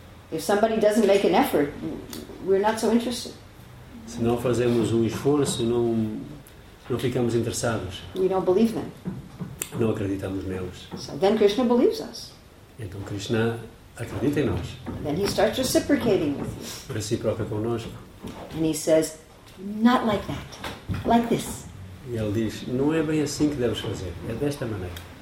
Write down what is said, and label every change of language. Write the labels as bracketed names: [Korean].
[English] If somebody doesn't make an effort, we're not so interested. [Portuguese] Se não fazemos um esforço, não ficamos interessados. [English] We don't believe them. [Portuguese] Não acreditamos neles. [English] So then Krishna believes us. [Portuguese] Então Krishna acredita em nós. [English] And then he starts reciprocating with you. [Portuguese] Reciproca connosco. [English] And he says, not like that, like this. [Portuguese] E ele diz, não é bem assim que deves fazer, é desta maneira.